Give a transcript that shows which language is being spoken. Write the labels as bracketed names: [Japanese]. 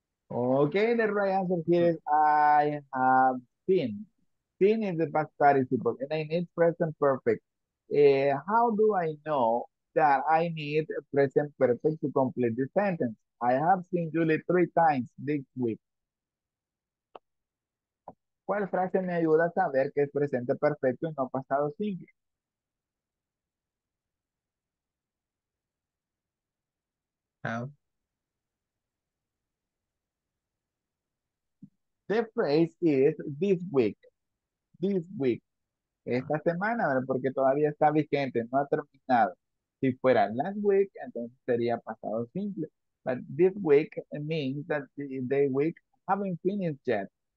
[English] Okay, the right answer here is I have seen. Seen is the past participle, and I need present perfect. How do I know that I need present perfect to complete the sentence? I have seen Julie 3 times this week. [Spanish] ¿Cuál frase me ayuda a saber que es presente perfecto y no pasado simple? [English] How? The phrase is this week. This week. [Spanish] Esta semana, ¿verdad? Porque todavía está vigente, no ha terminado. Si fuera [English] last week, [Spanish] entonces sería pasado simple. [English] But this week means that the week haven't finished yet.